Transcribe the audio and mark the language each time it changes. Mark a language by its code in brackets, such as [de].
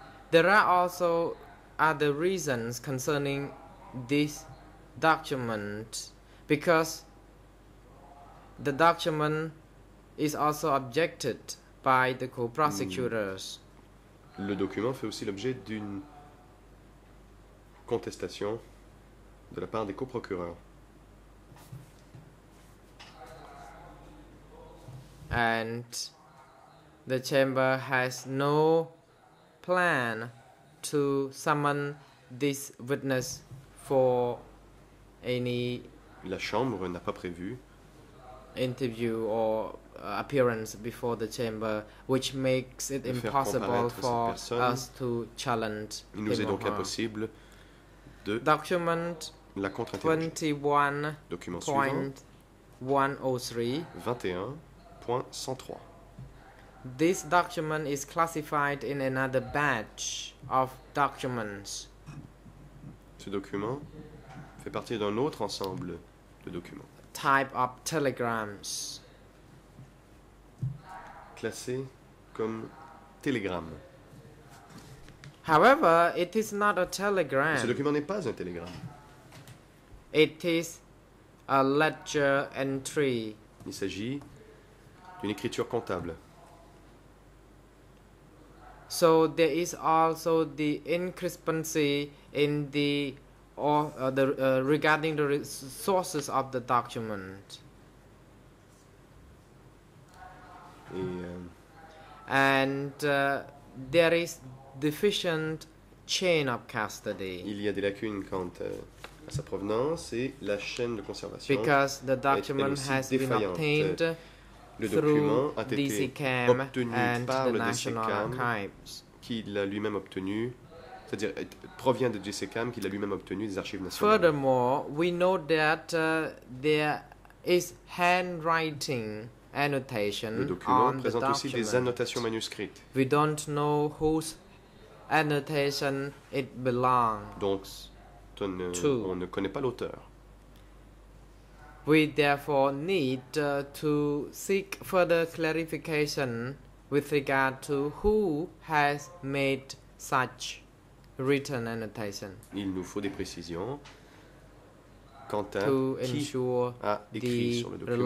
[en] There are also other reasons concerning this document, because the document is also objected by the co-prosecutors. [fr] Le document fait aussi l'objet d'une contestation de la part des co-procureurs. [en] And the chamber has no plan to summon this witness for any [fr] la chambre n'a pas prévu [en] interview or appearance before the chamber, which makes it impossible for us to challenge him or her. [fr] Impossible de [en] document 21.103. This document is classified in another batch of documents. [fr] Ce document fait partie d'un autre ensemble de documents. [en] Type of telegrams. [fr] Classé comme télégramme. [en] However, it is not a telegram. [fr] Ce document n'est pas un télégramme. [en] It is a ledger entry. [fr] Il s'agit d'une écriture comptable. [en] So there is also the discrepancy in the or the regarding the sources of the document. And there is deficient chain of custody. [fr] Il y a des lacunes quant à sa provenance et la chaîne de conservation. [en] Because the document has been obtained through DCCAM and the National Archives. [fr] Qu'il a lui-même obtenu, c'est-à-dire provient de DCCAM, qu'il a lui-même obtenu des archives nationales. [en] Furthermore, we know that there is handwriting annotation. [fr] Le document présente [en] the [fr] aussi des annotations manuscrites. [en] We don't know whose annotation it belongs. [fr] Donc, on ne connaît pas l'auteur. [en] We therefore need to seek further clarification with regard to who has made such written annotation. [fr] Il nous faut des précisions quant à qui a écrit sur le document.